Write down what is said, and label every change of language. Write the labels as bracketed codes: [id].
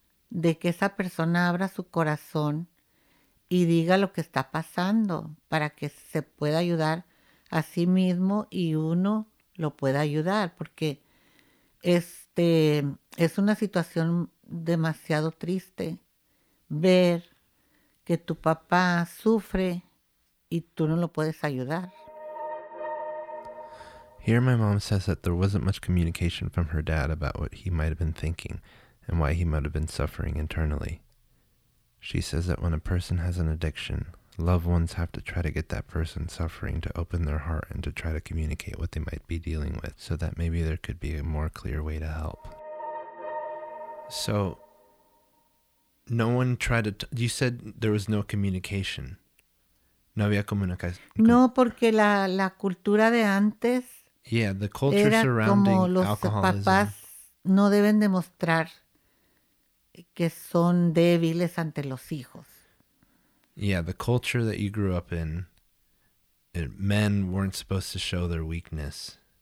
[es] de que esa persona abra su corazón y diga lo que está pasando para que se pueda ayudar a sí mismo y uno lo pueda ayudar, porque es una situación demasiado triste ver que tu papá sufre y tú no lo puedes ayudar. [en] Here my mom says that there wasn't much communication from her dad about what he might have been thinking and why he might have been suffering internally. She says that when a person has an addiction, loved ones have to try to get that person suffering to open their heart and to try to communicate what they might be dealing with so that maybe there could be a more clear way to help. So, no one tried to... You said there was no communication. [es] No había comunicación. No, porque la cultura de antes... [en] Yeah, the culture [es] era [en] surrounding [es] como los [en] alcoholism. [es] Papás no deben demostrar que son débiles ante los hijos. [en] Yeah, the culture that you grew up in, men weren't supposed to show their weakness.